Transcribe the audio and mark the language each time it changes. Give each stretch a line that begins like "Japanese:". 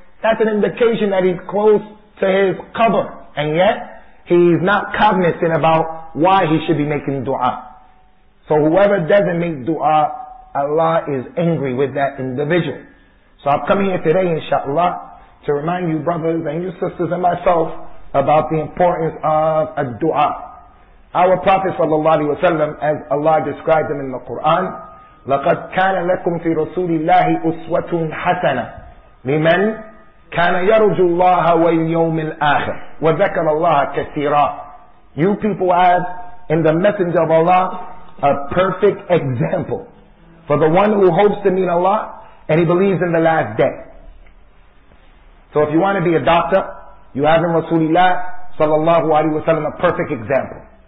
English: That's an indication that he's close to his qabr. And yet, he's not cognizant about why he should be making dua. So whoever doesn't make dua, Allah is angry with that individual. So I've come here today, inshallah, to remind you brothers and your sisters and myself about the importance of a dua. Our Prophet sallallahu alaihi wasallam, as Allah described him in the Quran,
Arabic: لَقَدْ كَانَ لَكُمْ فِي رَسُولِ اللَّهِ أُسْوَةٌ حَسَنَةٌ لِمَنْ كَانَ يَرُجُ اللَّهَ وَالْيَوْمِ الْآخِرِ وَذَكَرَ اللَّهَ كَثِيرًا.
English: You people have in the Messenger of Allah a perfect example for the one who hopes to meet Allah and he believes in the last day. So if you want to be a doctor, you have in Rasulullah sallallahu alaihi wasallam a perfect example.